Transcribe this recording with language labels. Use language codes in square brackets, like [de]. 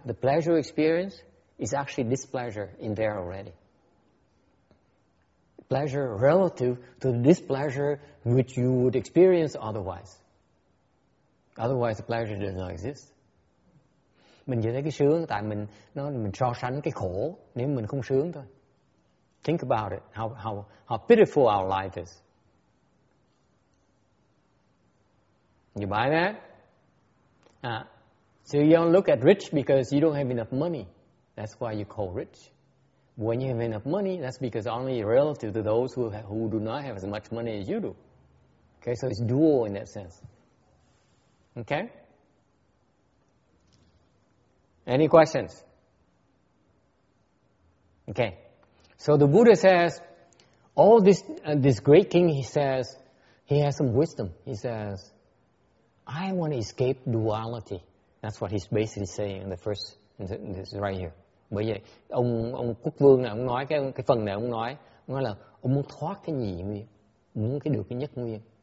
[en] The pleasure experience is actually displeasure in there already. Pleasure relative to the displeasure which you would experience otherwise. Otherwise, the pleasure does not exist. [vi] Mình chỉ thấy cái sướng tại mình nó mình so sánh cái khổ nếu mình không sướng thôi. [en] Think about it, how pitiful our life is. You buy that? So you don't look at rich because you don't have enough money. That's why you call rich. When you have enough money, that's because only relative to those who do not have as much money as you do. Okay, so it's dual in that sense. Okay? Any questions? Okay. So the Buddha says, all this this great king, he says, he has some wisdom. He says, I want to escape duality. That's what he's basically saying in the first, this is right here. [vi] Bởi vậy, ông quốc vương này, ông nói cái phần này, ông nói là ông muốn thoát cái nhị nguyên, muốn cái được cái nhất nguyên.